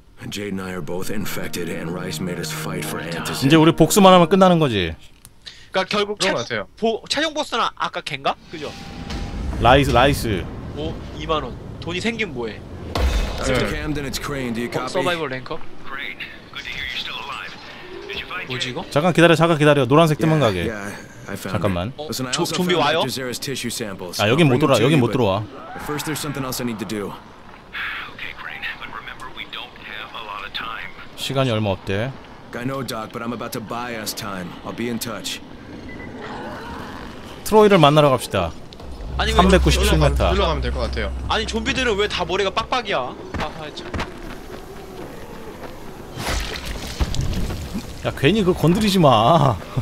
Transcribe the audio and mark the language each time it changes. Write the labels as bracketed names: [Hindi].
[English] Jade and I are both infected, and Rice made us fight for Antis. [Korean] 이제 우리 복수만 하면 끝나는 거지. 그러니까 결국 최종 보스는 아까 걘가? 그죠? 라이스. 오, 2만 원. 돈이 생긴 뭐해? [English] Dr. Camden, it's Crane. Do you copy? [Korean] 서바이벌 랭커? [English] Crane, good to hear you're still alive. Did you find? [Korean] 뭐지 이거? 잠깐 기다려, 잠깐 기다려. 노란색 뜨면 가게. 잠깐만. 좀비 와요? 아, 여긴 못 들어와. 여긴 못 들어와. [English] First, there's something else I need to do. [Korean] 시간이 얼마 없대. [English] I know, Doc, but I'm about to buy us time. I'll be in touch. [Korean] 트로이를 만나러 갑시다. 아니, 397m. 일로 가면 될 것 같아요. 아니, 좀비들은 왜 다 머리가 빡빡이야? 아, 참. 야, 괜히 그거 건드리지 마.